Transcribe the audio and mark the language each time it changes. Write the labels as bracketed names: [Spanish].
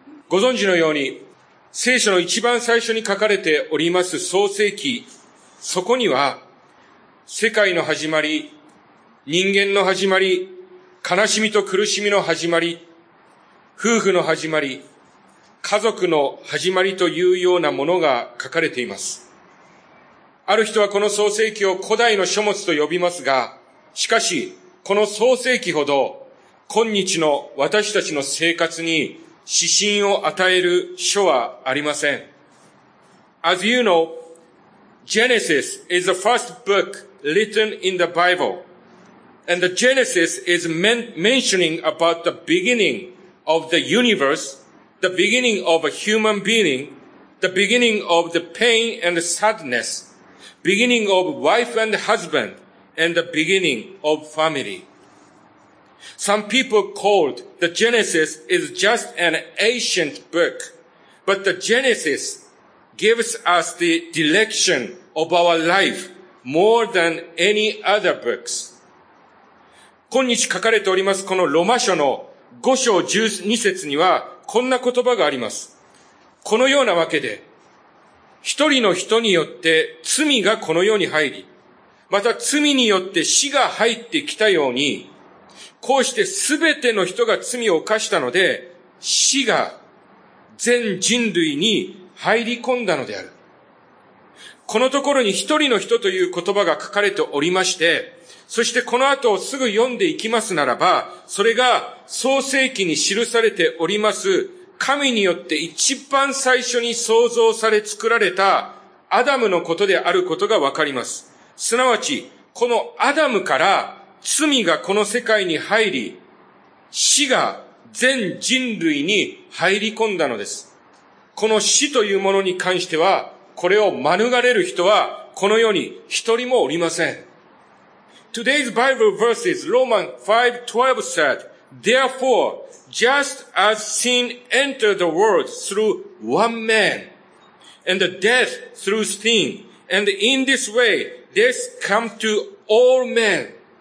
[Japanese] ご存知のように、聖書の一番最初に書かれております創世記、そこには世界の始まり、人間の始まり、悲しみと苦しみの始まり、夫婦の始まり、家族の始まりというようなものが書かれています。ある人はこの創世記を古代の書物と呼びますが、しかしこの創世記ほど今日の私たちの生活に指針を与える書はありません。 [English] As you know, Genesis is the first book written in the Bible, and the Genesis is mentioning about the beginning of the universe, the beginning of a human being, the beginning of the pain and the sadnessBeginning of wife and husband and the beginning of family. Some people called the Genesis is just an ancient book, but the Genesis gives us the direction of our life more than any other books. [Japanese] 今日書かれておりますこのロマ書の5章12節にはこんな言葉があります。このようなわけで一人の人によって罪がこの世に入り、また罪によって死が入ってきたように、こうしてすべての人が罪を犯したので死が全人類に入り込んだのである。このところに一人の人という言葉が書かれておりまして、そしてこの後すぐ読んでいきますならば、それが創世記に記されております神によって一番最初に創造され作られたアダムのことであることがわかります。すなわち、このアダムから罪がこの世界に入り、死が全人類に入り込んだのです。この死というものに関しては、これを免れる人はこの世に一人もおりません。 [English] Today's Bible verses, Romans 5:12 said, Therefore, just as sin entered the world through one man, and death through sin, and in this way, death come to all men.